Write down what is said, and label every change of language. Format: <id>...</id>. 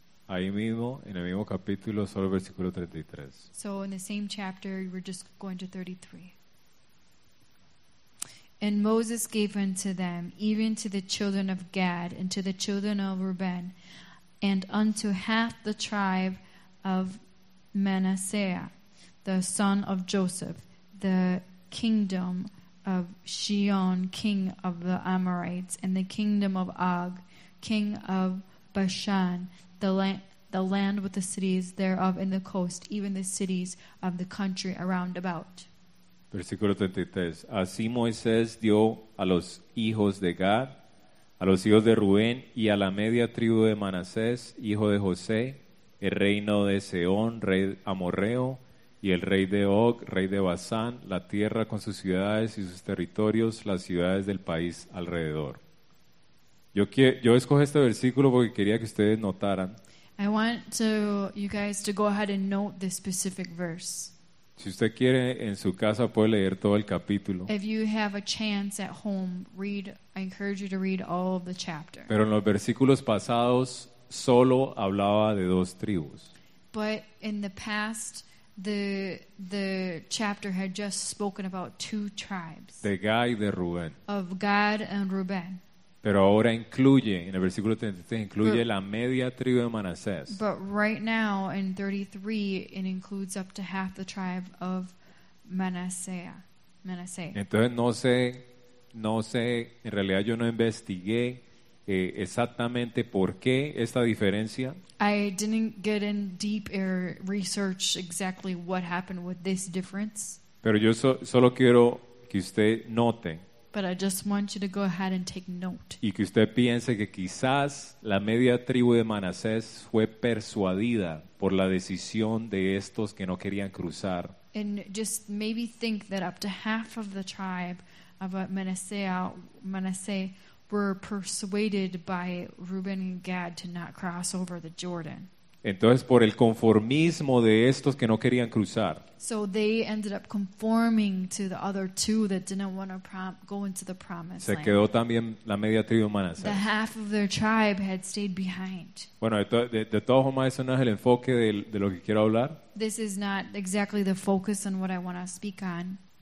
<es>Ahí mismo, en el mismo capítulo, solo el versículo 33.</es> <en>So in the same chapter, we're just going to 33. And Moses gave unto them, even to the children of Gad, and to the children of Reuben, and unto half the tribe of Manasseh, the son of Joseph, the kingdom of Sihon, king of the Amorites, and the kingdom of Og, king of Bashan, the land with the cities thereof in the coast, even the cities of the country around about.</en> <es>Versículo 33. Así Moisés dio a los hijos de Gad, a los hijos de Rubén y a la media tribu de Manasés, hijo de José, el reino de Seón, rey amorreo, y el rey de Og, rey de Basán, la tierra con sus ciudades y sus territorios, las ciudades del país alrededor. Yo escogí este versículo porque quería que ustedes notaran.</es> <en>I want to, you guys to go ahead and note this specific verse.</en> <es>Si usted quiere, en su casa puede leer todo el capítulo.</es> <en>If you have a chance at home, read, I encourage you to read all of the chapter.</en> <es>Pero en los versículos pasados solo hablaba de dos tribus.</es> <en>But in the past, the chapter had just spoken about two tribes.</en> <es>De Gad y de Rubén.</es> <en>Of Gad and Reuben.</en> <es>Pero ahora incluye, en el versículo 33, incluye la media tribu de Manasés.</es> <en>But right now, in 33, it includes up to half the tribe of Manasseh.</en> <es>Entonces no sé, en realidad yo no investigué exactamente por qué esta diferencia.</es> <en>I didn't get in deep air research exactly what happened with this difference.</en> <es>Pero yo solo quiero que usted note.</es> <en>But I just want you to go ahead and take note.</en> <es>Y que usted piense que quizás la media tribu de Manasés fue persuadida por la decisión de estos que no querían cruzar.</es> <en>And just maybe think that up to half of the tribe of Manasseh were persuaded by Reuben and Gad to not cross over the Jordan.</en> <es>Entonces, por el conformismo de estos que no querían cruzar.</es> <en>So they ended up conforming to the other two that didn't want to go into the promised</en> <es>land. Se quedó también la media tribu de Manasés.</es> <en>The half of their tribe had stayed behind.</en> <es>Bueno, de todas formas, eso no es el enfoque de lo que quiero hablar.</es> <en>This is not exactly the focus on what I want to speak on.</en>